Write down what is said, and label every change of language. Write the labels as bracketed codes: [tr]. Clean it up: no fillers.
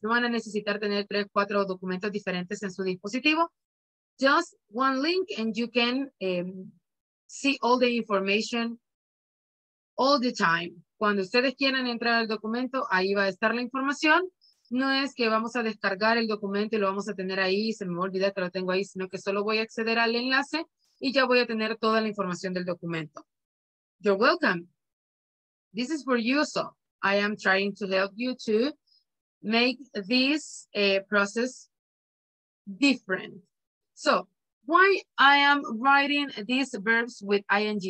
[es] No van a necesitar tener tres, cuatro documentos diferentes en su dispositivo. [en] Just one link and you can see all the information all the time. [es] Cuando ustedes quieran entrar al documento, ahí va a estar la información. No es que vamos a descargar el documento y lo vamos a tener ahí, se me olvida que lo tengo ahí, sino que solo voy a acceder al enlace y ya voy a tener toda la información del documento. [en] You're welcome. This is for you, so I am trying to help you to make this process different. So, why I am writing these verbs with ing?